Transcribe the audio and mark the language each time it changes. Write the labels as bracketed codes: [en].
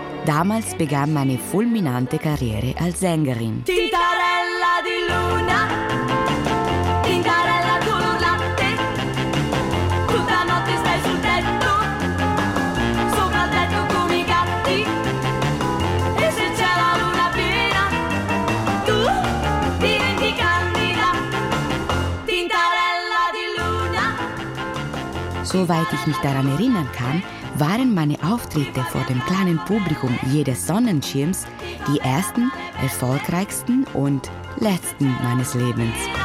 [de] Damals begann meine fulminante Karriere als Sängerin. [it] Tintarella di luna, Tintarella tu non latte, tutta notte stai sul tetto, sopra il tetto come i gatti, e se c'è la luna piena, tu diventi candida, Tintarella di luna. [de] Soweit ich mich daran erinnern kann, waren meine Auftritte vor dem kleinen Publikum jedes Sonnenschirms die ersten, erfolgreichsten und letzten meines Lebens.